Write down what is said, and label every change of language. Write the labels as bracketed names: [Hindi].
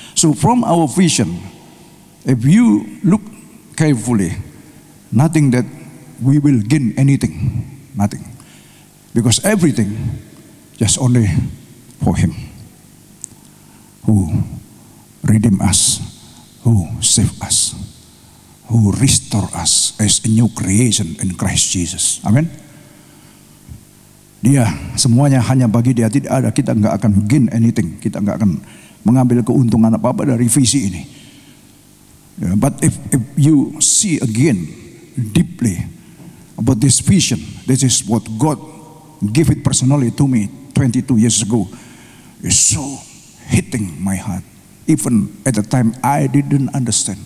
[English] So from our vision, if you look carefully, nothing that we will gain anything, nothing. Because everything just only for Him who redeemed us, who saved us, who restore us as a new creation in Christ Jesus. Amen. [Indonesian] Dia semuanya hanya bagi Dia, tidak ada, kita enggak akan [English] gain anything, [Indonesian] kita enggak akan mengambil keuntungan apa-apa dari visi ini. [English] But if you see again deeply about this vision, this is what God gave it personally to me 22 years ago. It's so hitting my heart. Even at the time, I didn't understand.